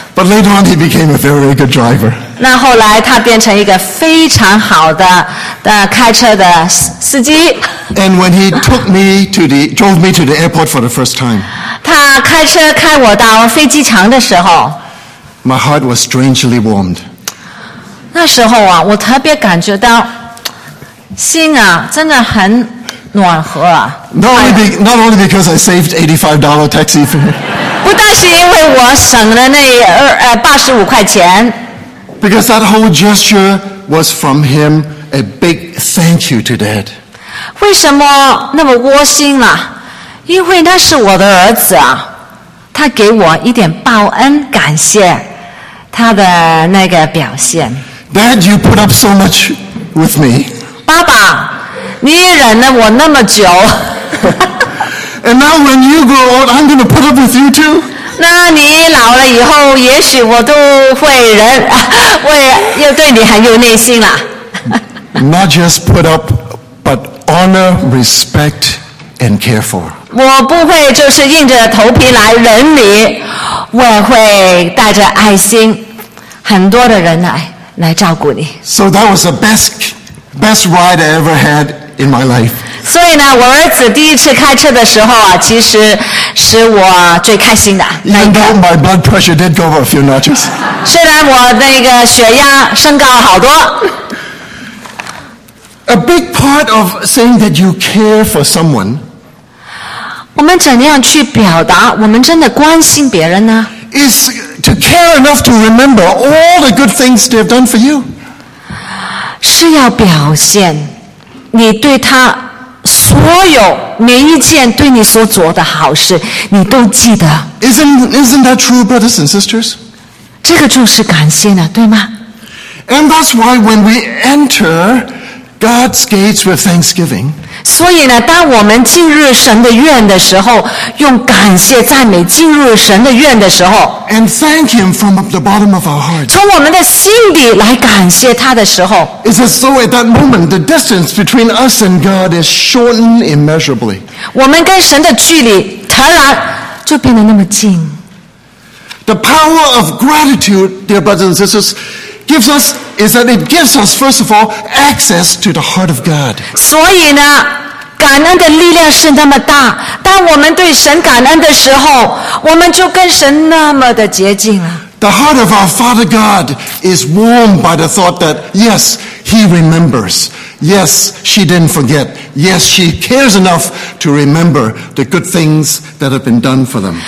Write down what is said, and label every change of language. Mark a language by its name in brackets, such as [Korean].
[English] But later on he became a very good driver. [Chinese] 那后来他变成一个非常好的开车的司机。 [English] And when he drove me to the airport for the first time. [Chinese] 他开车开我到飞机场的时候。 [English] My heart was strangely warmed. [Chinese] 那时候啊，我特别感觉到心啊，真的很暖和啊。 [English] Not only because I saved $85 taxi fare. [Chinese] 不但是因为我省了那85块钱。 [English] Because that whole gesture was from him a big thank you to Dad. [Chinese] 为什么那么窝心啊？因为那是我的儿子啊，他给我一点报恩，感谢他的那个表现。 [English] Dad, you put up so much with me. [Chinese] 爸爸，你忍了我那么久。 [English] And now when you grow old, I'm going to put up with you too. [Chinese] 那你老了以后，也许我都会忍，会又对你很有耐心了。 [English] Not just put up, but honor, respect, and care for. [Chinese] 我不会就是硬着头皮来忍你，我会带着爱心，很多的忍耐。来照顾你。 [English] So that was the best ride I ever had in my life. [Chinese] 所以呢，我儿子第一次开车的时候啊，其实是我最开心的。 [English] Even though my blood pressure did go up a few notches. [Chinese] 虽然我那个血压升高好多。 [English] A big part of saying that you care for someone. [Chinese] 我们怎样去表达我们真的关心别人呢？ [English] Is to care enough to remember all the good things they've done for you. [Chinese] 是要表现你对他所有每一件对你所做的好事，你都记得。 [English] Isn't that true, brothers and sisters? [Chinese] 这个就是感谢呢，对吗？ [English] And that's why when we enter God's gates with thanksgiving. [Chinese] 所以呢，当我们进入神的院的时候，用感谢赞美进入神的院的时候 [English] ，and thank Him from the bottom of our heart， [Chinese] 从我们的心底来感谢他的时候 [English] ，it's as though at that moment the distance between us and God is shortened immeasurably。 [Chinese] 我们跟神的距离突然就变得那么近。 [English] The power of gratitude, dear brothers and sisters, gives us. Is that it gives us, first of all, access to the heart of God. [Chinese] 所以呢，感恩的力量是那么大。当我们对神感恩的时候，我们就跟神那么的接近了。 [English] The heart of our Father God is warmed by the thought that yes, He remembers. Yes, she didn't forget. Yes, she cares enough to remember the good things that have been done for them.